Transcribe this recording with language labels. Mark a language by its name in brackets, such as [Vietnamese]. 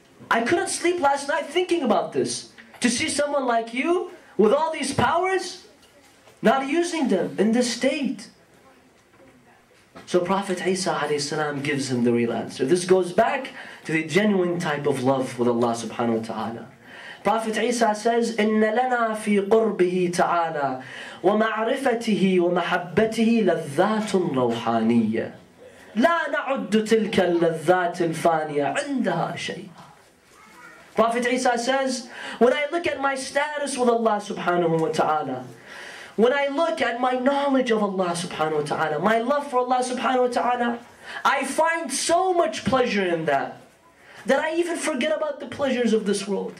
[English] I couldn't sleep last night thinking about this. To see someone like you, with all these powers, not using them in this state. So Prophet Isa a.s. gives him the real answer. This goes back to the genuine type of love with Allah subhanahu wa ta'ala. Prophet Isa says, [Arabic] إِنَّ لَنَا فِي قُرْبِهِ تَعَالَى وَمَعْرِفَتِهِ وَمَحَبَّتِهِ لَذَّاتٌ رَوْحَانِيَّةٌ لَا نَعُدُّ تِلْكَ اللَّذَّاتِ الْفَانِيَةِ عِنْدَهَا شَيْءٍ. [English] Prophet Isa says, when I look at my status with Allah subhanahu wa ta'ala, when I look at my knowledge of Allah subhanahu wa ta'ala, my love for Allah subhanahu wa ta'ala, I find so much pleasure in that, that I even forget about the pleasures of this world.